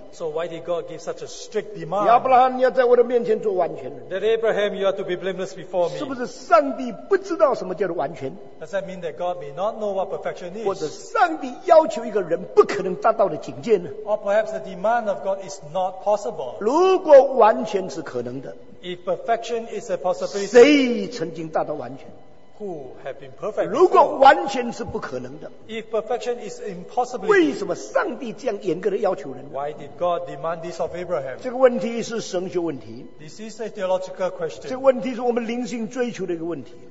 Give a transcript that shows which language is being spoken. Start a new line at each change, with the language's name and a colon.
English: So why did God give such a strict demand?
Chinese: 亚伯拉罕，你要在我的面前做完全人。
English: That Abraham, you are to be blameless before me.
Chinese: 是不是上帝不知道什么叫做完全？
English: Does that mean that God may not know what perfection is?
Chinese: 或者上帝要求一个人不可能达到的境界呢？
English: Or perhaps the demand of God is not possible.
Chinese: 如果完全是可能的，
English: if perfection is a possibility,
Chinese: 谁曾经达到完全？
English: Who have been perfect?
Chinese: 如果完全是不可能的，
English: if perfection is impossible,
Chinese: 为什么上帝这样严格的要求人？
English: Why did God demand this of Abraham?
Chinese: 这个问题是神学问题。
English: This is a theological question.
Chinese: 这个问题是我们灵性追求的一个问题。